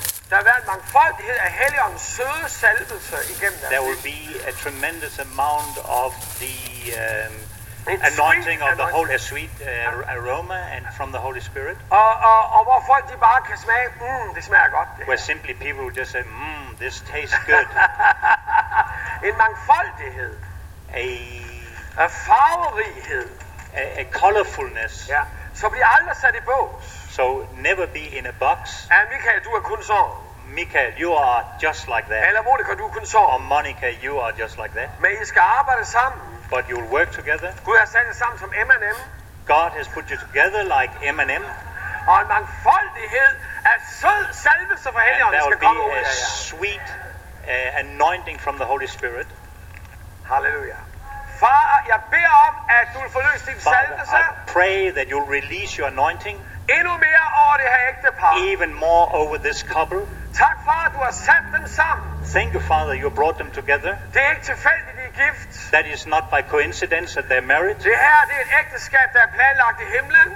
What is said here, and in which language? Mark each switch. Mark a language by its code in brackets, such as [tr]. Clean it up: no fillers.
[da] Der vil være en mangfoldighed af Helligåndens søde salvelser igennem dig. [en] There will be a tremendous amount of the... anointing of the whole, a sweet aroma and from the Holy Spirit. [da] Og hvor folk de bare kan smage, det smager godt. Det. [en] Where simply people just say, this tastes good. [da] En mangfoldighed. [en] A [da] farverighed. [en] A colorfulness. [da] Ja. Så bliver aldrig sat i bås. [en] So never be in a box. [da] Ja, Michael, du er kun så. [en] Michael, you are just like that. [da] Eller Monica, du er kun så. [en] Or Monica, you are just like that. [da] Men I skal arbejde sammen. [en] But you'll work together. [da] Gud har sat jer sammen som M&M. [en] God has put you together like M&M. [da] Og en mangfoldighed af sød salvelse fra Helligånden skal komme ud af jer. [en] And there will be a sweet anointing from the Holy Spirit. [da] Halleluja. Far, jeg beder om, at du vil forløse din salvelse. [en] I pray that you'll release your anointing. [da] Endnu mere over det her ægtepar. [en] Even more over this couple. [da] Tak, far, du har sat dem sammen. [en] Thank you, Father, you brought them together. [da] Det er ikke tilfældigt, de er gift. [en] That is not by coincidence that they're married. [da] Det her, det er et ægteskab, der er planlagt i himlen.